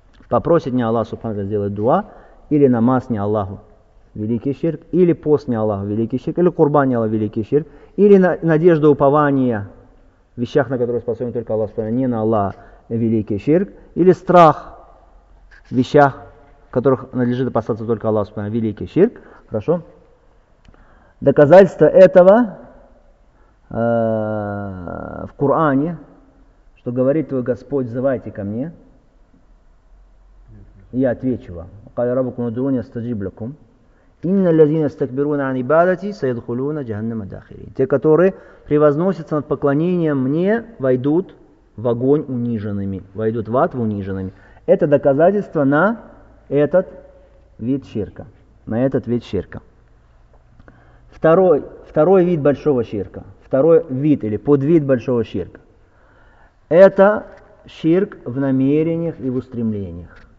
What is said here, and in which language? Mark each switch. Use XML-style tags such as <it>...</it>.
<ru>Попросит не Аллах Субхану ва Тааля сделать дуа, или намаз не Аллаху, великий ширк, или пост не Аллаху, великий ширк, или курбан не Аллаху, великий ширк, или надежда упования в вещах, на которые способен только Аллах Субхану ва Тааля, не на Аллах, великий ширк, или страх в вещах, в которых надлежит опасаться только Аллах Субхану ва Тааля, великий ширк. Хорошо? Доказательство этого в Коране, что говорит твой Господь, взывайте ко мне, и я отвечу вам.</ru> <ar>قال ربكم ادعوني استجب لكم ان الذين يستكبرون عن عبادتي سيدخلون جهنم داخرين.</ar> <ru>Те, которые превозносятся над поклонением мне, войдут в огонь униженными, войдут в ад униженными. Это доказательство на этот вид ширка, на этот вид ширка. Второй вид большого ширка, второй вид или подвид большого ширка, это ширк в намерениях и в устремлениях.</ru>